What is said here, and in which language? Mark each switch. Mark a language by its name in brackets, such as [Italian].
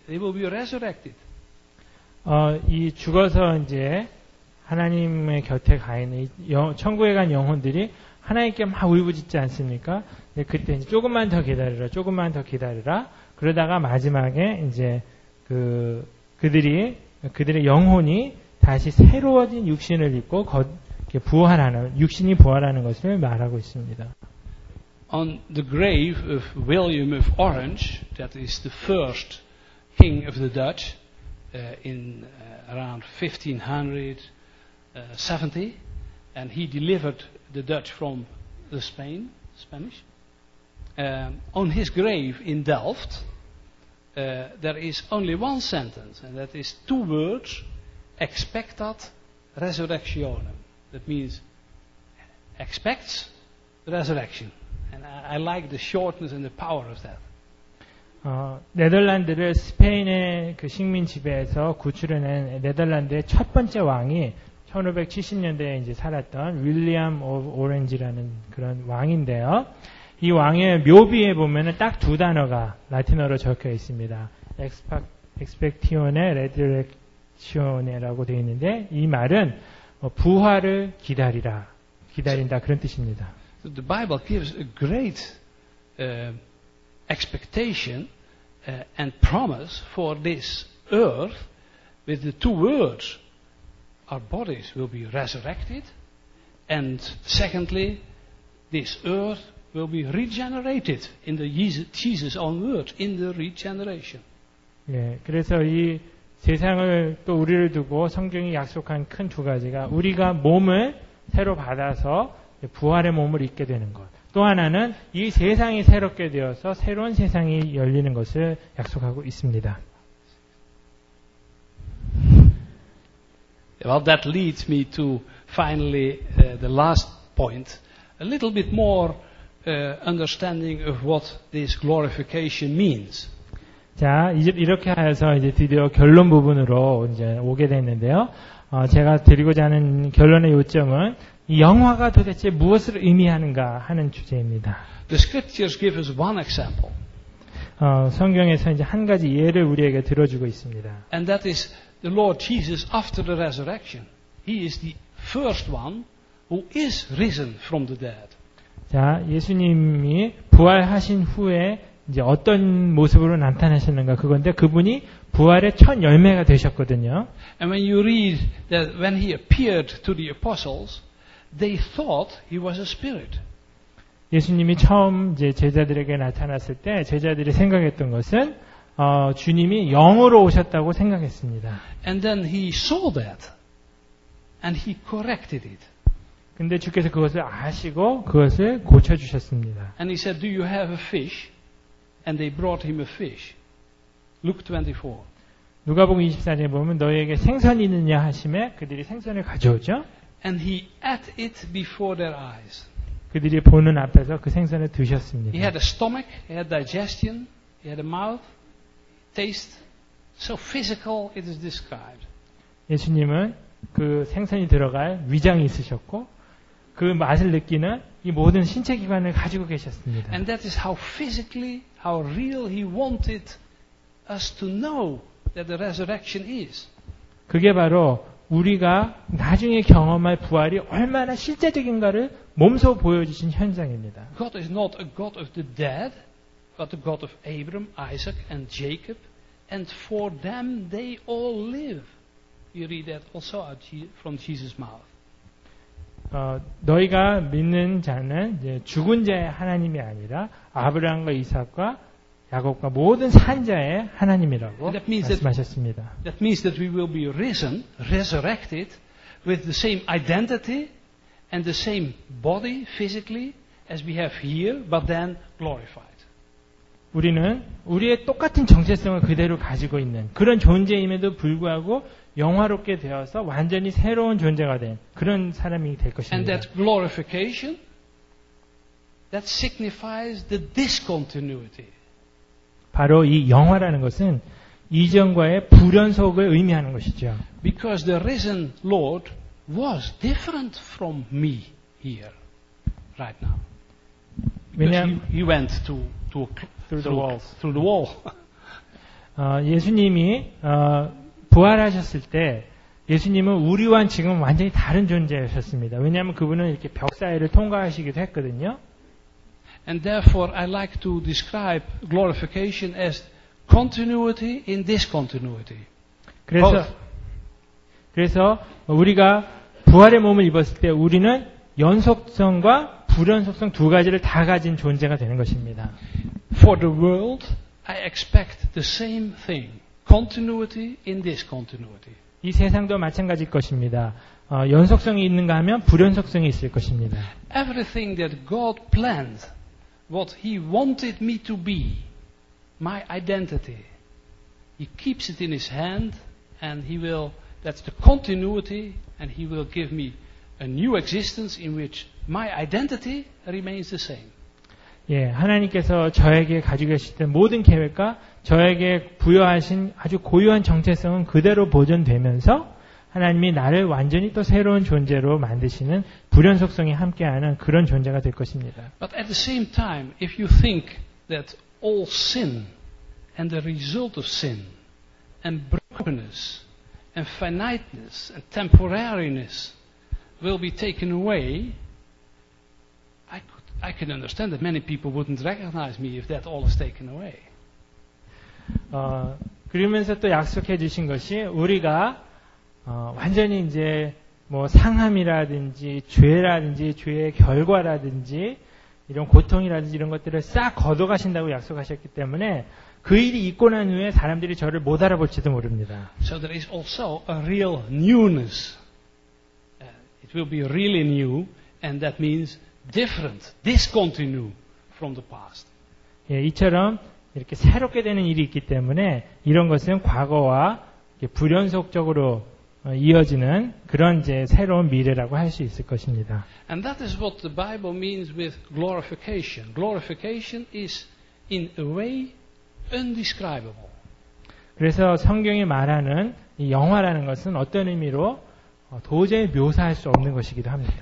[English] They will be resurrected. [Korean] 이 죽어서 이제 하나님의 곁에 가 있는 천국에 간 영혼들이 하나님께 막 울부짖지 않습니까? 그때 이제 조금만 더 기다리라, 조금만 더 기다리라. 그러다가 마지막에 이제 그들의 영혼이 다시 새로워진 육신을 입고 부활하는 것을 말하고 있습니다. [English] On the grave of William of Orange, that is the first king of the Dutch, in around 1570, and he delivered the Dutch from the Spanish. On his grave in Delft, there is only one sentence, and that is two words, [Latin] expectat resurrectionem. [English] That means, expects resurrection. And I like the shortness and the power of that. [Korean] 네덜란드를 스페인의 그 식민 지배에서 구출해낸 네덜란드의 첫 번째 왕이 1570년대에 이제 살았던 윌리엄 오브 오렌지라는 그런 왕인데요. 이 왕의 묘비에 보면은 딱 두 단어가 라틴어로 적혀 있습니다. [Latin] Expectione Resurrectione [Korean] 라고 되어 있는데 이 말은 부활을 기다리라. 기다린다 그런 뜻입니다. [English] The Bible gives a great expectation and promise for this earth with the two words. Our bodies will be resurrected and secondly this earth will be regenerated in the Jesus' own word, in the regeneration. [Korean] 예, 그래서 이 세상을 또 우리를 두고 성경이 약속한 큰 두 가지가 우리가 몸을 새로 받아서 부활의 몸을 입게 되는 것. 또 하나는 이 세상이 새롭게 되어서 새로운 세상이 열리는 것을 약속하고 있습니다. [English] Well, that leads me to finally the last point. A little bit more understanding of what this glorification means. [Korean] 자, 이제 이렇게 해서 이제 드디어 결론 부분으로 이제 오게 됐는데요. 제가 드리고자 하는 결론의 요점은 이 영화가 도대체 무엇을 의미하는가 하는 주제입니다. [English] The scriptures give us one example. [Korean] 성경에서 이제 한 가지 예를 우리에게 들어주고 있습니다. [English] And that is the Lord Jesus after the resurrection. He is the first one who is risen from the dead. [Korean] 자, 예수님이 부활하신 후에 이제 어떤 모습으로 나타나셨는가 그건데 그분이 부활의 첫 열매가 되셨거든요. [English] And when you read that when he appeared to the apostles, they thought he was a spirit. [Korean] 예수님이 처음 이제 제자들에게 나타났을 때 제자들이 생각했던 것은 주님이 영으로 오셨다고 생각했습니다. [English] And then he saw that and he corrected it. [Korean] 근데 주께서 그것을 아시고 그것을 고쳐 주셨습니다. [English] And he said, "Do you have a fish?" And they brought him a fish. Luke 24. [Korean] 누가복음 24장에 보면 너희에게 생선이 있느냐 하심에 그들이 생선을 가져오죠. [English] And he ate it before their eyes. [Korean] 그들이 보는 앞에서 그 생선을 드셨습니다. [English] He had a stomach, he had digestion, he had a mouth, taste. So physical it is described. [Korean] 예수님은 그 생선이 들어갈 위장이 있으셨고 그 맛을 느끼는 이 모든 신체 기관을 가지고 계셨습니다. [English] And that is how physically, how real he wanted us to know that the resurrection is. [Korean] 그게 바로 우리가 나중에 경험할 부활이 얼마나 실제적인가를 몸소 보여주신 현장입니다. [English] God is not a God of the dead, but the God of Abram, Isaac, and Jacob, and for them they all live. You read that also from Jesus' mouth. [Korean] 너희가 믿는 자는 이제 죽은 자의 하나님이 아니라 아브라함과 이삭과 야곱과 모든 산 자의 하나님이라고 [English] that means [Korean] 말씀하셨습니다. [English] That means that we will be risen, resurrected, with the same identity and the same body physically as we have here, but then glorified. [Korean] 우리는 우리의 똑같은 정체성을 그대로 가지고 있는 그런 존재임에도 불구하고 영화롭게 되어서 완전히 새로운 존재가 된 그런 사람이 될 것입니다. [English] And that glorification, that signifies the discontinuity. [Korean] 바로 이 영화라는 것은 이전과의 불연속을 의미하는 것이죠. [English] Because the risen Lord was different from me here, right now. Because he went through the wall. [Korean] 예수님이 부활하셨을 때 예수님은 우리와 지금 완전히 다른 존재였습니다. 왜냐하면 그분은 이렇게 벽 사이를 통과하시기도 했거든요. [English] And therefore I like to describe glorification as continuity in discontinuity. [Korean] 그래서 우리가 부활의 몸을 입었을 때 우리는 연속성과 불연속성 두 가지를 다 가진 존재가 되는 것입니다. [English] For the world, I expect the same thing. Continuity in discontinuity. [Korean] 이 세상도 마찬가지일 것입니다. 연속성이 있는가 하면 불연속성이 있을 것입니다. [English] Everything that God planned, what He wanted me to be, my identity, He keeps it in His hand, and He will, that's the continuity, and He will give me a new existence in which my identity remains the same. [Korean] 예, 하나님께서 저에게 가지고 계시던 모든 계획과 저에게 부여하신 아주 고유한 정체성은 그대로 보존되면서 하나님이 나를 완전히 또 새로운 존재로 만드시는 불연속성이 함께하는 그런 존재가 될 것입니다. [English] But at the same time, if you think that all sin and the result of sin and brokenness and finiteness and temporariness will be taken away, I can understand that many people wouldn't recognize me if that all is taken away. [Korean] 그러면서 또 약속해 주신 것이 우리가 완전히 이제 뭐 상함이라든지 죄라든지 죄의 결과라든지 이런 고통이라든지 이런 것들을 싹 걷어가신다고 약속하셨기 때문에 그 일이 있고 난 후에 사람들이 저를 못 알아볼지도 모릅니다. [English] So there is also a real newness. It will be really new, and that means different, discontinue from the past. [Korean] 예, 이처럼 이렇게 새롭게 되는 일이 있기 때문에 이런 것은 과거와 불연속적으로 이어지는 그런 이제 새로운 미래라고 할 수 있을 것입니다. [English] And that is what the Bible means with glorification. Glorification is in a way indescribable. [Korean] 그래서 성경이 말하는 이 영화라는 것은 어떤 의미로 도저히 묘사할 수 없는 것이기도 합니다.